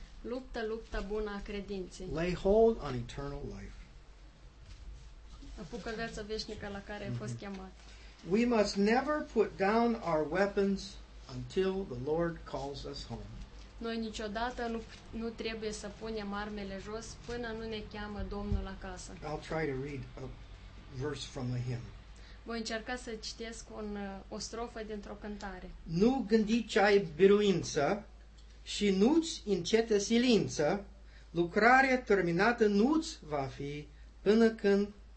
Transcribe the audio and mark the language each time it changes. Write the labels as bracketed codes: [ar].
[ro] Luptă lupta bună a credinței. [en] Lay hold on eternal life. [ro] Apucă viața veșnică la care ai fost chemat. [en] We must never put down our weapons until the Lord calls us home. [ro] Noi niciodată nu trebuie să punem armele jos până nu ne cheamă Domnul acasă. [en] I'll try to read a verse from a hymn. [ro] Voi încerca să citesc o strofă dintr-o cântare. Nu gândi ce-ai biruință și nu-ți încete silință, lucrarea terminată nu-ți va fi până când?